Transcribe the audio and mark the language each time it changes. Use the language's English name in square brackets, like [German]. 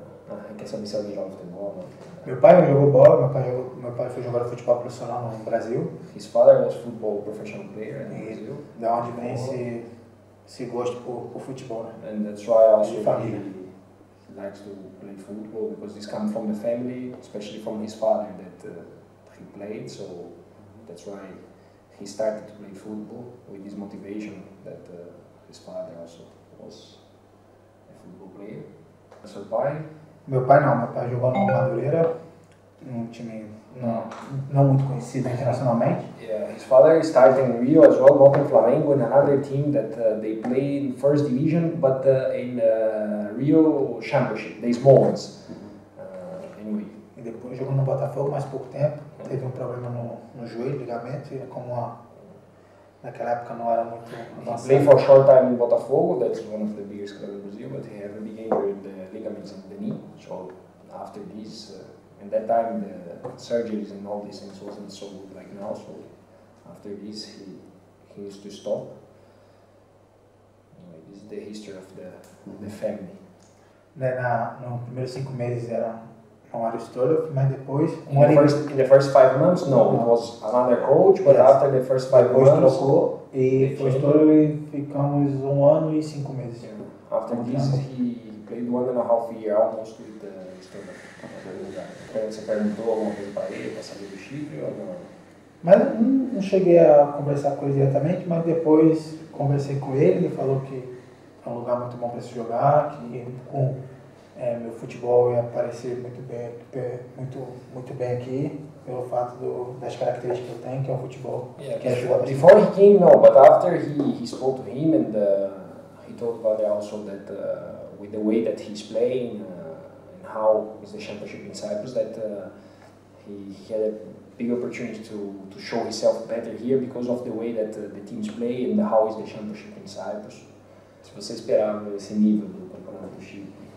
[English] I guess I miss a bit of the ball. [Portuguese] Meu pai jogou bola, meu pai foi jogador de futebol profissional no Brasil. [English] His father was football professional player in Brazil. [Portuguese] Da onde vem esse gosto por futebol, né? [English] And that's why also he likes to play football, because this comes from the family, especially from his father that he played, so that's why he started to play football with this motivation that his father also was a football player. That's your pai? [Portuguese] Meu pai não, meu pai jogou no Madureira, num time não muito conhecido internacionalmente. [English] Yeah, his father started in Rio as well, both in Flamengo and another team that they play in first division, but in Rio Championship, the small ones. Anyway. [Portuguese] E depois jogou no Botafogo mais pouco tempo, teve problema no joelho, ligamento, e como naquela época não era muito avançado. [English] He played for a short time in Botafogo, that's one of the biggest clubs in Brazil, but he had a big injury in the ligaments and the knee. So after this, in that time, the surgeries and all these things wasn't so good like now, so after this, he used to stop. Anyway, this is the history of the family. Then, [Portuguese] no primeiros 5 meses era um Mario Stolov, mas depois... [English] In the first 5 months, no, it was another coach, but yes. After the first 5 months... [Portuguese] Depois trocou, e foi Stolov e ficamos 1 ano e 5 meses. [English] Yeah. After this, he played 1.5 years almost with the Stolov. [Portuguese] Você perguntou alguma coisa para ele, para saber do Chipre ou não? Mas não cheguei a conversar com ele diretamente, mas depois conversei com ele, ele falou que é um lugar muito bom para se jogar, que com... meu futebol ia aparecer muito bem aqui pelo fato das características que eu tenho, que é o futebol. [English] Yeah, [Portuguese] que [English] before, before he came, no, but after he spoke to him and he told Vader also that with the way that he's playing and how is the championship in Cyprus, that he had a big opportunity to show himself better here because of the way that the teams play and how is the championship in Cyprus. [Portuguese] Se você esperava esse nível do campeonato do Chile.